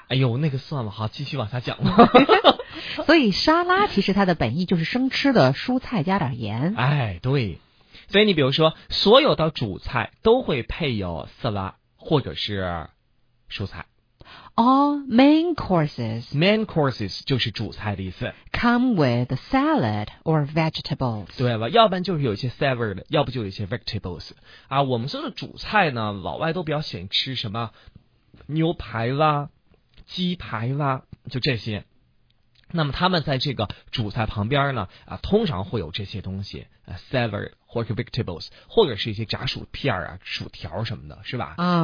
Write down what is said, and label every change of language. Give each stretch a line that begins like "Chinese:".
Chinese: 哎呦，那个算了，好，继续往下讲吧。所以沙拉其实它的本意就是生吃的蔬菜加点盐。哎，对。所以你比如说，所有的主菜都会配有色拉或者是蔬菜。
English: All main courses
Chinese: 就是主菜的意思。
English: Come with salad or vegetables.
Chinese: 对吧？要不然就是有一些 salad， 要不就有一些 vegetables。啊，我们说的主菜呢，老外都比较喜欢吃什么牛排啦、鸡排啦，就这些。那么他们在这个主菜旁边呢，啊，通常会有这些东西，salad 或者 vegetables， 或者是一些炸薯片啊、薯条什么的，是吧？